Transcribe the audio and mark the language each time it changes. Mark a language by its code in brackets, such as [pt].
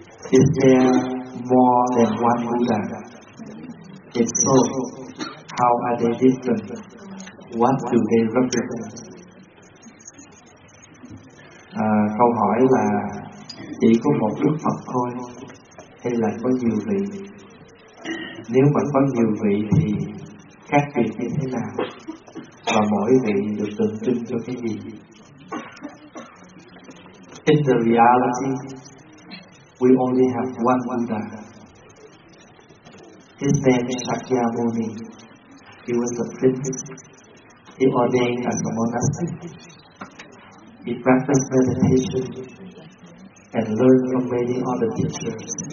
[en] is there more than one Buddha? If so, how are they different? What do they represent? [vi] Câu hỏi là chỉ có một Đức Phật thôi hay là có nhiều vị? Nếu mà có nhiều vị thì khác biệt như thế nào? Và mỗi vị được tượng trưng cho cái gì? [en] In the reality, we only have one Buddha. His name is Shakyamuni. He was a prince. He ordained as a monastic. He practiced meditation and learned from many other teachers.